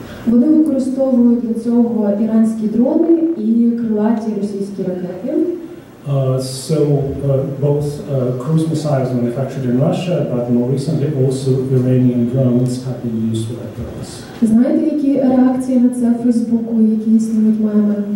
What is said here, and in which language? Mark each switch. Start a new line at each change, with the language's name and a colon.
Ukrainian: Вони використовують для цього іранські дрони і крилаті російські ракети.
English: Both cruise missiles manufactured in Russia, but more recently also Iranian drones have been used for that purpose.
Ukrainian: Знаєте, які реакції на це в Фейсбуку, які існують меми?